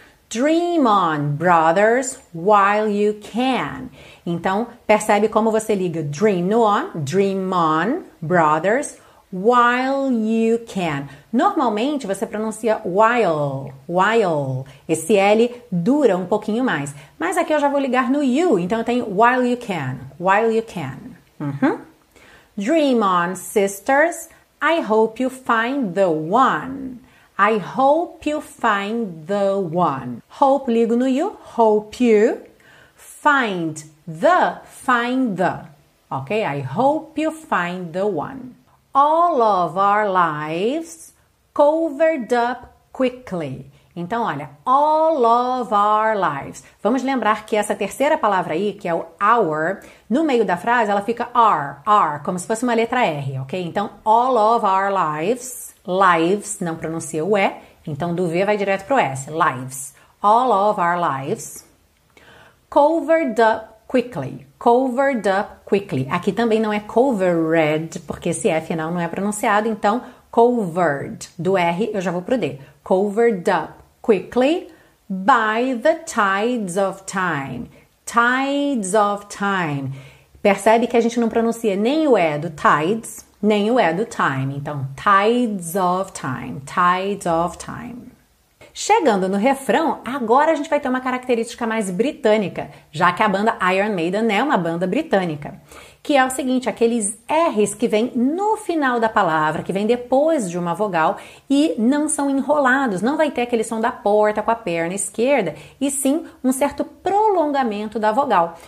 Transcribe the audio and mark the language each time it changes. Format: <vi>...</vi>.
<en>Dream on, brothers, while you can.</en> <pt>Então, percebe como você liga dream no on,</pt> <en>dream on, brothers, while you can.</en> <pt>Normalmente, você pronuncia while, while. Esse L dura um pouquinho mais. Mas aqui eu já vou ligar no you. Então, eu tenho while you can, while you can. Uhum.</pt> <en>Dream on, sisters. I hope you find the one. I hope you find the one. Hope, ligo no you. Hope you. Find the. Ok? I hope you find the one. All of our lives covered up quickly.</en> <pt>Então, olha,</pt> <en>all of our lives.</en> <pt>Vamos lembrar que essa terceira palavra aí, que é o our, no meio da frase ela fica r, r, como se fosse uma letra R, ok? Então, all of our lives, lives, não pronuncia o E, então do V vai direto pro S, lives.</pt> <en>all of our lives, covered up quickly. Covered up quickly.</en> <pt>Aqui também não é covered, porque esse F final não é pronunciado, então covered. Do R eu já vou pro D.</pt> <en>Covered up quickly by the tides of time. Tides of time.</en> <pt>Percebe que a gente não pronuncia nem o E do tides, nem o E do time.</pt> <en>Então, tides of time. Tides of time.</en> <pt>Chegando no refrão, agora a gente vai ter uma característica mais britânica, já que a banda Iron Maiden é uma banda britânica, que é o seguinte, aqueles R's que vêm no final da palavra, que vêm depois de uma vogal e não são enrolados, não vai ter aquele som da porta com a perna esquerda, e sim um certo prolongamento da vogal.</pt>